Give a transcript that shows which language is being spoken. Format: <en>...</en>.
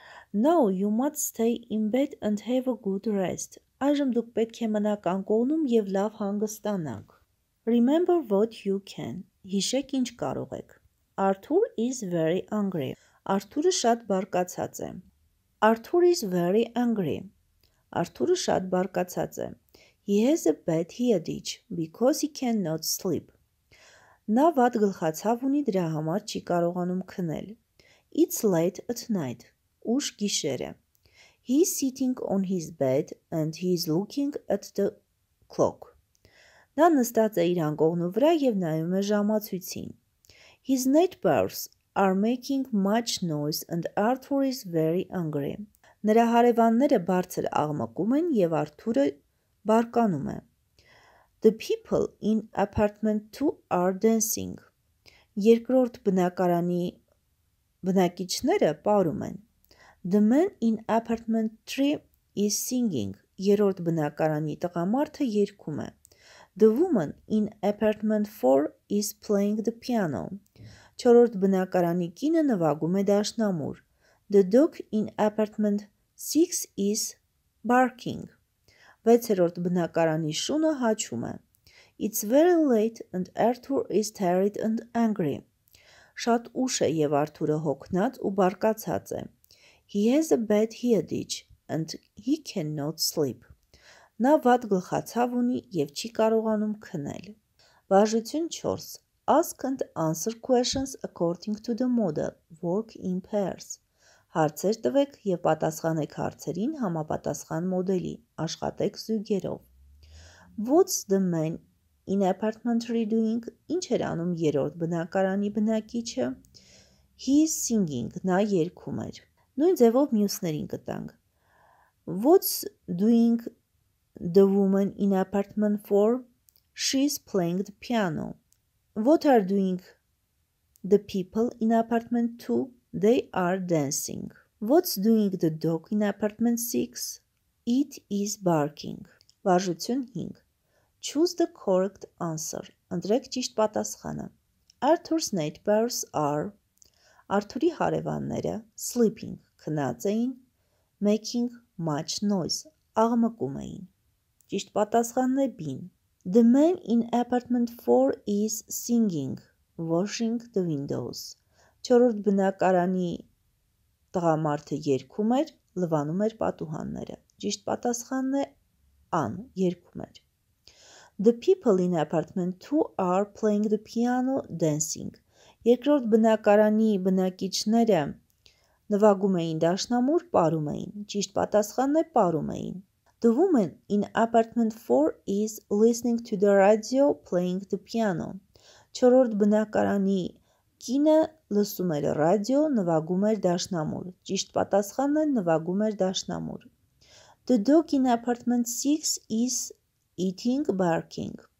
<en>No, you must stay in bed and have a good rest.</en> <hy>Այժմ դուք պետք է մնաք անկողնում և լավ հանգստանաք.</hy> <en>Remember what you can.</en> <hy>Հիշեք ինչ կարող եք.</hy> <en>Arthur is very angry.</en> <hy>Արթուրը շատ բարկացած է.</hy> <en>Arthur is very angry.</en> <hy>Արթուրը շատ բարկացած է.</hy> <en>He has a bad headache because he cannot sleep.</en> <hy>Նա վատ գլխացավ ունի, դրա համար չի կարողանում քնել.</hy> <en>It's late at night.</en> <hy>Ուշ գիշեր է.</hy> <en>He's sitting on his bed and he's looking at the clock.</en> <hy>Նա նստած է իր անկողնու վրա և նայում է ժամացույցին.</hy> <en>His neighbors are making much noise and Arthur is very angry.</en> <hy>Նրա հարևանները բարձր աղմկում են և Արթուրը բարկանում է.</hy> <en>The people in apartment 2 are dancing.</en> <hy>Երկրորդ բնակարանի բնակիչները պարում են.</hy> <en>The man in apartment 3 is singing.</en> <hy>Երրորդ բնակարանի տղամարդը երգում է.</hy> <en>The woman in apartment 4 is playing the piano.</en> <hy>Չորրորդ բնակարանի կինը նվագում է դաշնամուր.</hy> <en>The dog in apartment 6 is barking.</en> <hy>Վեցերորդ բնակարանի շունը հաչում է.</hy> <en>It's very late and Arthur is tired and angry.</en> <hy>Շատ ուշ է և Արթուրը հոգնած ու բարկացած է.</hy> <en>He has a bad headache and he cannot sleep.</en> <hy>Նա վատ գլխացավ ունի և չի կարողանում քնել. Բաժություն 4.</hy> <en>Ask and answer questions according to the model. Work in pairs.</en> <hy>Հարցեր տվեք և պատասխանեք հարցերին համապատասխան մոդելի. Աշխատեք զույգերով.</hy> <en>What's the man in apartment 3 doing?</en> <hy>Ինչ էր անում երրորդ բնակարանի բնակիչը?</hy> <en>He is singing.</en> <hy>Նա երգում էր. Նույն ձևով մյուսներին կտանք.</hy> <en>What's doing the woman in apartment 4? She's playing the piano. What are doing the people in apartment 2? They are dancing. What's doing the dog in apartment 6? It is barking.</en> <hy>Վարժություն 5.</hy> <en>Choose the correct answer.</en> <hy>Ընտրեք ճիշտ պատասխանը.</hy> <en>Arthur's neighbors are...</en> <hy>Արթուրի հարևանները</hy> <en>sleeping,</en> <hy>քնած էին,</hy> <en>making much noise,</en> <hy>աղմկում էին. Ճիշտ պատասխանն է B-ն.</hy> <en>The man in apartment 4 is singing, washing the windows.</en> <hy>Չորրորդ բնակարանի տղամարդը երգում էր, լվանում էր պատուհանները. Ճիշտ պատասխանն է A-ն, երգում էր.</hy> <en>The people in apartment 2 are playing the piano, dancing.</en> <hy>Երկրորդ բնակարանի բնակիչները նվագում էին դաշնամուր, պարում էին։</hy> <en>Ճիշտ պատասխանն է պարում էին։ The woman in apartment 4 is listening to the radio, playing the piano.</en> <hy>Չորրորդ բնակարանի կինը լսում էր ռադիո, նվագում էր դաշնամուր։ Ճիշտ պատասխանն է նվագում էր դաշնամուր։</hy> <en>The dog in apartment 6 is eating, barking.</en>